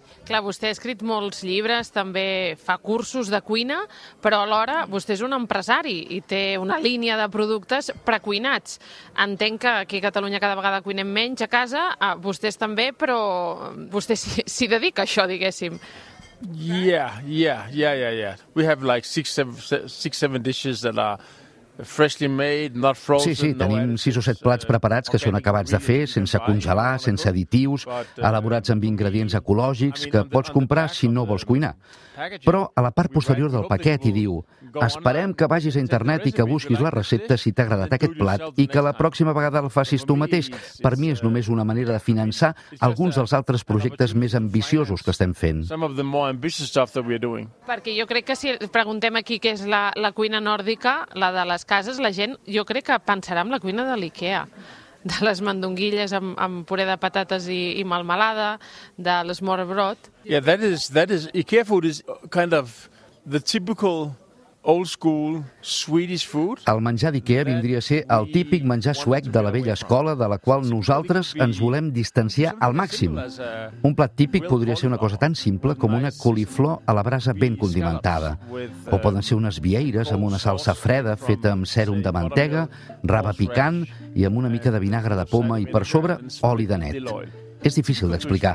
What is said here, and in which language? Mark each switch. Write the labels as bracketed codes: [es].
[ca] Clar, vostè ha escrit molts llibres, també fa cursos de cuina, però alhora vostè és un empresari i té una línia de productes precuinats. Entenc que aquí a Catalunya cada vegada cuinem menys a casa, a vostès també, però vostè s'hi dedica a això, diguéssim. [en] Yeah. We have like six, seven dishes that are... [ca] Sí, sí, tenim 6 o 7 plats preparats que són acabats de fer, sense congelar, sense additius, elaborats amb ingredients ecològics que pots comprar si no vols cuinar. Però a la part posterior del paquet hi diu: esperem que vagis a internet i que busquis la recepta si t'ha agradat aquest plat i que la pròxima vegada el facis tu mateix. Per mi és només una manera de finançar alguns dels altres projectes més ambiciosos que estem fent. Perquè jo crec que si preguntem aquí què és la cuina nòrdica, la de les cases, la gent, jo crec que pensarà en la cuina de l'IKEA, de les mandonguilles amb puré de patates i melmelada, de l'esmorbrot. [en] Yeah, that is IKEA food is kind of the typical old school Swedish food. [ca] El menjar d'IKEA vindria a ser el típic menjar suec de la vella escola de la qual nosaltres ens volem distanciar al màxim. Un plat típic podria ser una cosa tan simple com una coliflor a la brasa ben condimentada. O poden ser unes vieires amb una salsa freda feta amb sèrum de mantega, rave picant i amb una mica de vinagre de poma i, per sobre, oli de net. És difícil d'explicar.